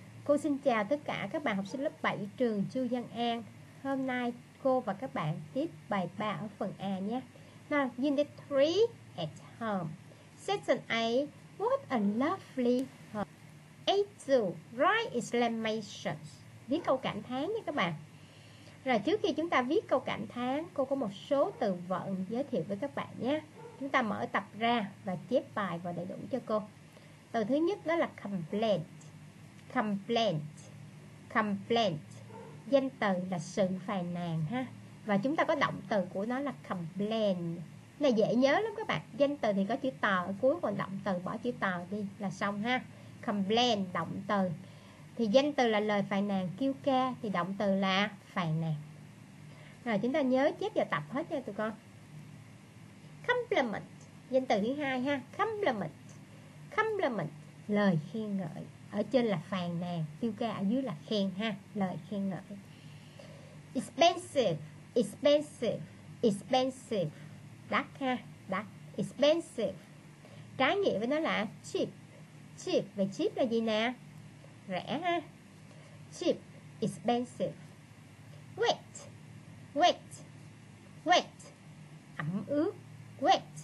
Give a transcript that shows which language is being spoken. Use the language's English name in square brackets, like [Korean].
[Vietnamese] Cô xin chào tất cả các bạn học sinh lớp 7 trường Chu Văn An. Hôm nay cô và các bạn tiếp bài 3 ở phần A nhé. [English] Now, Unit 3 at home. Section A, what a lovely home. A2, write exclamations. [Vietnamese] Viết câu cảm thán nha các bạn. Rồi trước khi chúng ta viết câu cảm thán, cô có một số từ vựng giới thiệu với các bạn nhé. Chúng ta mở tập ra và chép bài vào đầy đủ cho cô. Từ thứ nhất đó là complaint. Complaint, complaint, danh từ là sự phàn nàn ha. Và chúng ta có động từ của nó là complain. Này dễ nhớ lắm các bạn. Danh từ thì có chữ tờ ở cuối, còn động từ bỏ chữ tờ đi là xong ha. Complain, động từ. Thì danh từ là lời phàn nàn, kêu ca. Thì động từ là phàn nàn. Rồi chúng ta nhớ chép vào tập hết nha tụi con. Compliment, danh từ thứ hai ha. Compliment, compliment, lời khen ngợi. Ở trên là phàn nàn, tiêu ca ở dưới là khen ha, lời khen ngợi. [English] Expensive, expensive, expensive, [Vietnamese] đắt ha, đắt. Expensive, trái nghĩa với nó là cheap. Cheap, vậy cheap là gì nè? Rẻ ha. Cheap, expensive. [English] Wet, wet, wet, [Vietnamese] ẩm ướt, [English] wet.